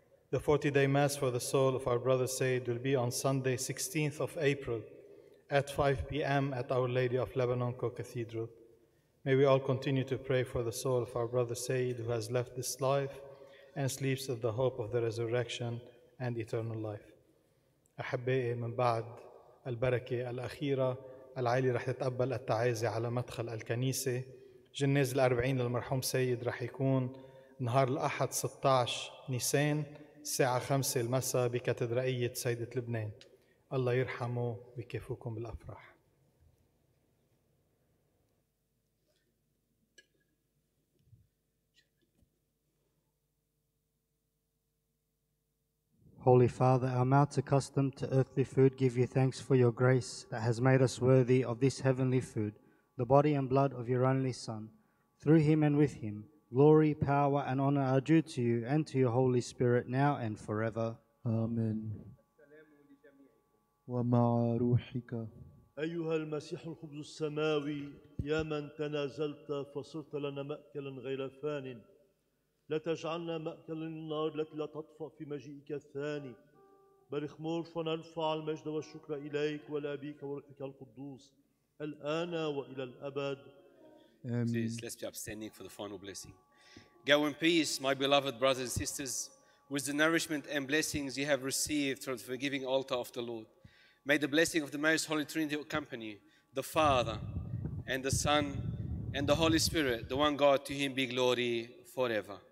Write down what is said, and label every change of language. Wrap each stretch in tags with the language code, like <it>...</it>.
<en>The 40-day Mass for the soul of our brother Sayyid will be on Sunday, 16th of April at 5 p.m. at Our Lady of Lebanon Co-Cathedral. May we all continue to pray for the soul of our brother Sayyid, who has left this life and sleeps in the hope of the resurrection and eternal life.</en> <ar>أحبائي من بعد البركة الأخيرة العائلة رح تتقبل التعازي على مدخل الكنيسة. جنازة 40 للمرحوم سيد رح يكون نهار الأحد 16 نيسان الساعة 5 المساء بكاتدرائية سيدة لبنان. الله يرحمه ويكفوكم بالأفراح.</ar> <en>Holy Father, our mouths accustomed to earthly food give you thanks for your grace that has made us worthy of this heavenly food, the body and blood of your only Son. Through him and with him, glory, power, and honor are due to you and to your Holy Spirit now and forever.</en> <ar>Amen. ومع روحك أيها المسيح الخبز السماوي يا من تنازلت فصرت لنا مأكلا غير فان لا تجعلنا مأكل النار التي لا تطفأ في مجيئك الثاني بل اخمر فنرفع المجد والشكر إليك ولأبيك وروحك القدوس الآن وإلى الأبد. آمين.</ar> <en>Please, let's be upstanding for the final blessing. Go in peace, my beloved brothers and sisters, with the nourishment and blessings you have received from the forgiving altar of the Lord. May the blessing of the Most Holy Trinity accompany the Father and the Son and the Holy Spirit, the one God, to him be glory forever.</en>